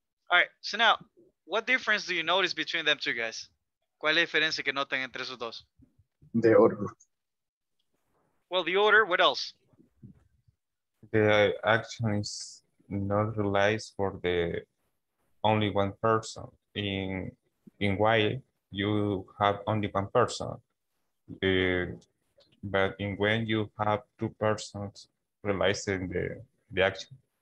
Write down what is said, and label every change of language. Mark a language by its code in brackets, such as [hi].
[en] All right, so now, what difference do you notice between them two, guys? [es] ¿Cuál es la diferencia que notan entre esos dos? [en] The order. Well, the order, what else? The action is not relies for the only one person. In why you have only one person. But in when you have two persons realizing the action.